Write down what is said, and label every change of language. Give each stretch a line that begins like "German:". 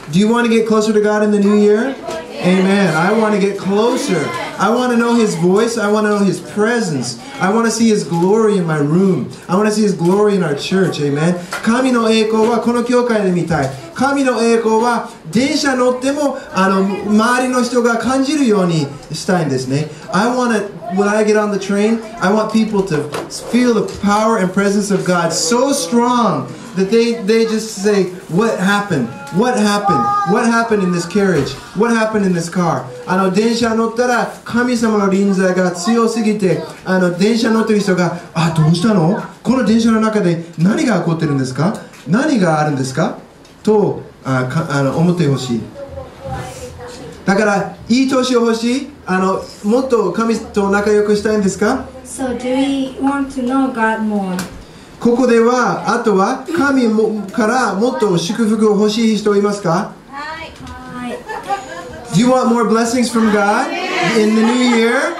English: Do you want to get closer to God in the new year? Amen. I want to get closer. I want to know His voice. I want to know His presence. I want to see His glory in my room. I want to see His glory in our church. Amen.
Japanese: 神の栄光はこの教会で見たい。神の栄光は電車乗っても周りの人が感じるようにしたいんですね。
English: I want to... When I get on the train, I want people to feel the power and presence of God so strong that they just say, What happened? What happened? What happened in this carriage? What happened in this car?
Japanese: 電車乗ったら神様の臨在が強すぎて、電車乗ってる人が、あ、どうしたの？この電車の中で何が起こってるんですか？何があるんですか？と、思ってほしい。だからいい年を欲しい。もっと神と仲良くしたいんですか？
English: So do we want to know God more?
Japanese: ここではあとは神もからもっと祝福を欲しい人いますか？はい。
English: Do you want more blessings from God in the new year?